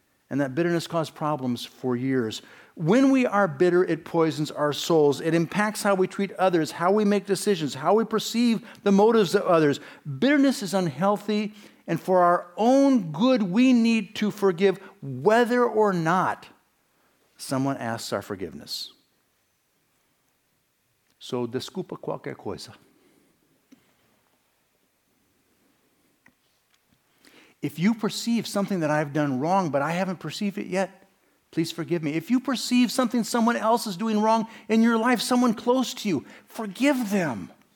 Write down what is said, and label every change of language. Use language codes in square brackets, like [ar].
[en] And that bitterness caused problems for years. When we are bitter, it poisons our souls. It impacts how we treat others, how we make decisions, how we perceive the motives of others. Bitterness is unhealthy, and for our own good, we need to forgive whether or not someone asks our forgiveness. [pt] So, desculpa qualquer coisa. [en] If you perceive something that I've done wrong, but I haven't perceived it yet, please forgive me. If you perceive something someone else is doing wrong in your life, someone close to you, forgive them.